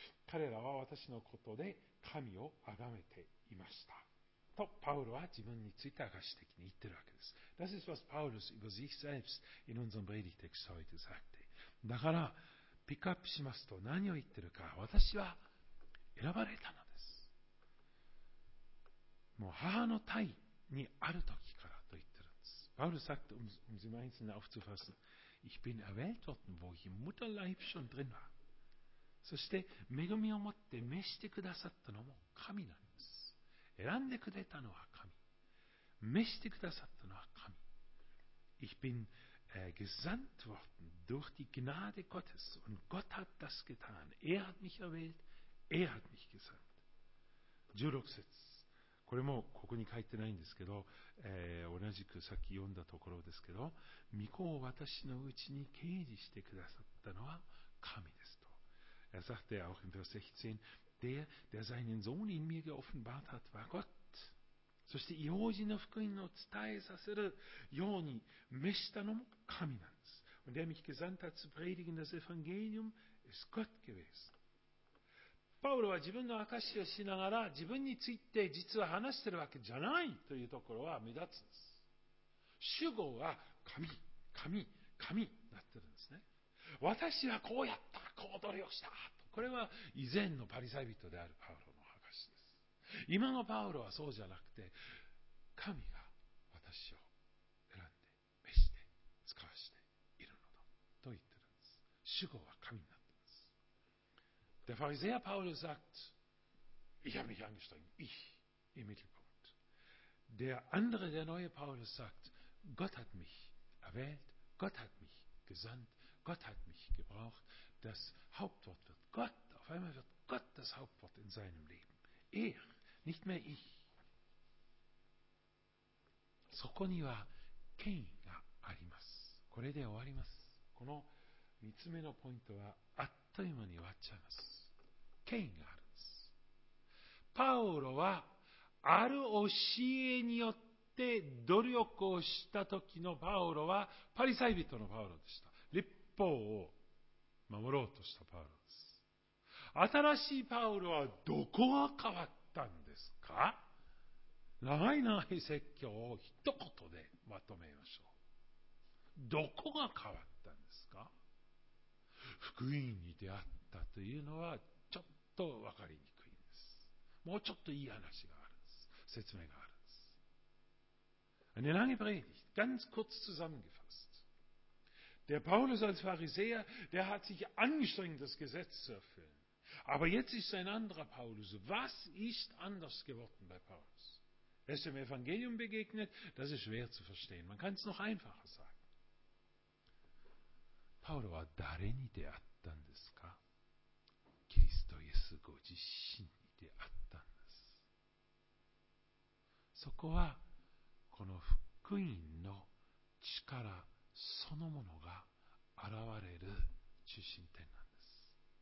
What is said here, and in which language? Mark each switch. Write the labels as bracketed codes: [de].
[ja] 彼らは私のことで、神を崇めていましたとパウロは自分について証し的に言っているわけです。 [de] Das ist, was Paulus über sich selbst in unserem Predigtext heute sagte. [ja] だから、ピックアップしますと何を言っているか、私は選ばれたのです。もう母の胎にある時からと言っているんです。 [de] パウロ sagt, um sie mal einzeln aufzufassen, ich bin erwählt worden, wo ich im Mutterleib schon drin war. [ja] そして恵みを持って召してくださったのも神なんです。選んでくれたのは神。召してくださったのは神。 [de] Ich bin gesandt worden durch die Gnade Gottes. Und Gott hat das getan. Er hat mich erwählt. Er hat mich gesandt. [ja] 16節。これもここに書いてないんですけど、同じくさっき読んだところですけど、御子を私のうちに啓示してくださったのは神ですと。 [de] Er sagte auch in Vers 16, der seinen Sohn in mir geoffenbart hat, war Gott. [ja] そして異邦人の福音を伝えさせるように召したのも神なんです。 [de] Und der mich gesandt hat zu predigen das Evangelium, ist Gott gewesen. [ja] パウロは自分の証しをしながら自分について実は話しているわけじゃないというところは目立つんです。主語は神、神、神になっているんですね。私はこうやった、こう努力した。これは以前のパリサイ人であるパウロの証しです。今のパウロはそうじゃなくて、神が私を選んで、召して、使わしているのだと言っているんです。主語は神なんです。 [de] Der Pharisäer Paulus sagt, ich habe mich angestrengt, ich im Mittelpunkt. Der andere, der neue Paulus sagt, Gott hat mich erwählt, Gott hat mich gesandt, Gott hat mich gebraucht. Das Hauptwort wird Gott, auf einmal wird Gott das Hauptwort in seinem Leben. Er, nicht mehr ich. [ja] そこには権威があります。これで終わります。この3つ目のポイントはあっという間に終わっちゃいます。権威があるんです。パウロはある教えによって努力をした時のパウロはパリサイ人のパウロでした。律法を守ろうとしたパウロです。新しいパウロはどこが変わったんですか？長い長い説教を一言でまとめましょう。どこが変わったんですか？福音に出会ったというのはちょっと分かりにくいんです。もうちょっといい話があるんです。説明があるんです。 [de] Eine lange Predigt, ganz kurz zusammengefasst. Der Paulus als Pharisäer, der hat sich angestrengt, das Gesetz zu erfüllen. Aber jetzt ist ein anderer Paulus. Was ist anders geworden bei Paulus? Er ist dem Evangelium begegnet, das ist schwer zu verstehen. Man kann es noch einfacher sagen. [ja] パウロは誰に出会ったんですか？キリストイエスご自身に出会ったんです。そこはこの福音の力そのものが現れる中心点なんです。